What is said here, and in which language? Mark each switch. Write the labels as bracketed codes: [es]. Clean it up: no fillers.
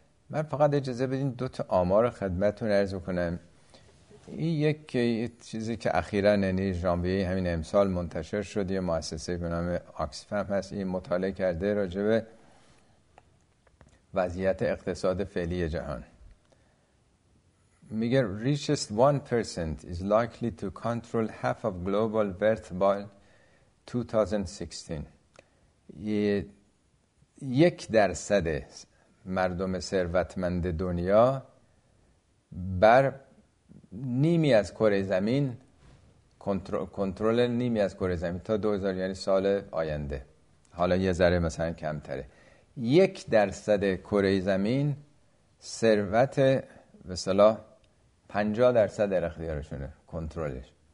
[fa] من فقط اجازه بدین دو تا آمار خدمتتون عرض کنم. این یک چیزی که اخیراً یعنی ژانویه همین امسال منتشر شد، یه مؤسسه به نام آکسفام هست، این مطالعه کرده راجع به وضعیت اقتصاد فعلی جهان. میگه [en] richest 1% is likely to control half of global wealth by 2016. [fa] یک درصد مردم ثروتمند دنیا بر نیمی از کره زمین کنترل نیمی از کره زمین تا 2000، یعنی سال آینده، حالا یه ذره مثلا کمتره، 1% کره زمین ثروت به اصطلاح 50% در اختیارشونه کنترلش.